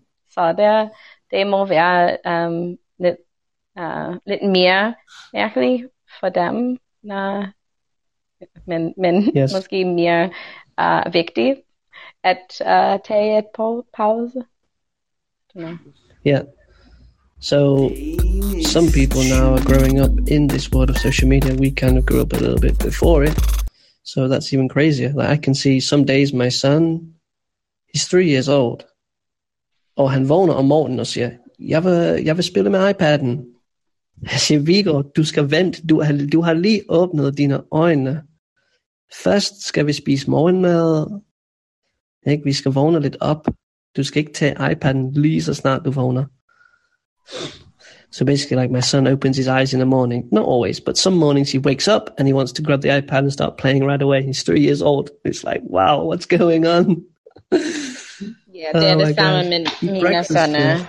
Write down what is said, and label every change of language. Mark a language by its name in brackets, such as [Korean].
[Danish] Så det må være lidt mere mærkeligt for dem, men måske mere vigtigt at tage et pause. [English] Yeah. So some people now are growing up in this world of social media. We kind of grew up a little bit before it. So that's even crazier. Like, I can see some days my son, he's 3 years old. [Danish] Og han vågner om morgenen og siger, jeg vil spille med iPad'en. Jeg siger, Viggo, du skal vente. Du har lige åbnet dine øjne. Først skal vi spise morgenmad. Ikke? Vi skal vågne lidt op. Du skal ikke tage iPad'en lige så snart du vågner. [English] So basically, like, my son opens his eyes in the morning. Not always, but some mornings he wakes up and he wants to grab the iPad and start playing right away. He's 3 years old. It's like, wow, what's going on? [Danish] Yeah, oh, det er det samme med mine sønner.